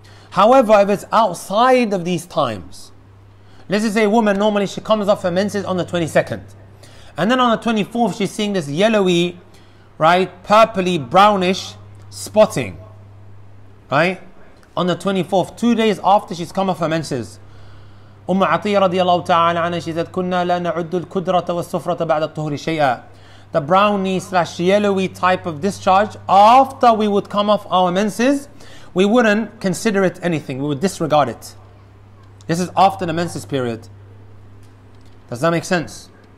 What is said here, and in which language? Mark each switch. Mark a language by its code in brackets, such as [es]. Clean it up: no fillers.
[en] However, if it's outside of these times, let's just say a woman, normally she comes off her menses on the 22nd. And then on the 24th, she's seeing this yellowy, right, purpley, brownish spotting. Right? On the 24th, 2 days after she's come off her menses. [ar] Umm Atiyah radiallahu ta'ala anha, she said, كُنَّا لَا نَعُدُّ الْكُدْرَةَ وَالصُّفْرَةَ بَعْدَ الطُّهْرِ شَيْئًا. [en] The browny slash yellowy type of discharge, after we would come off our menses, we wouldn't consider it anything. We would disregard it. This is after the menses period. Does that make sense?